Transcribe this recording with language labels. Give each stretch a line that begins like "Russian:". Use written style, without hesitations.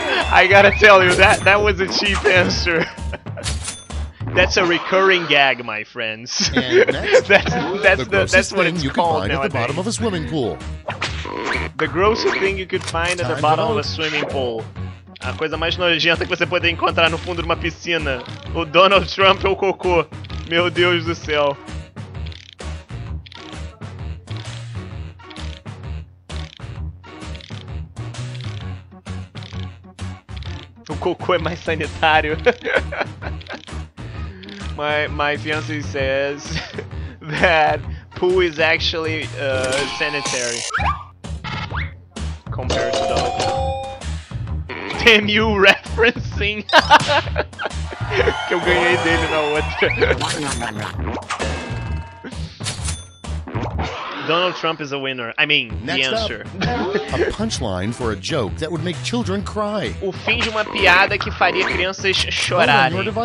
English: I gotta tell you, that was a cheap answer. That's a recurring gag, my friends. And next, that's what it's called nowadays. At the bottom of a swimming pool. The grossest thing you could find at the bottom of a swimming pool.
Portuguese: A coisa mais nojenta que você pode encontrar no fundo de uma piscina. O Donald Trump é o cocô. Meu Deus do céu. O cocô é mais sanitário.
English: My fiance says that poo is actually sanitary compared to dog. Damn you referencing.
Portuguese: Que eu ganhei dele na outra.
English: Donald Trump is a winner. I mean, next the answer. A punchline for a joke that would make children cry.
Portuguese: O fim de uma piada que faria crianças chorarem.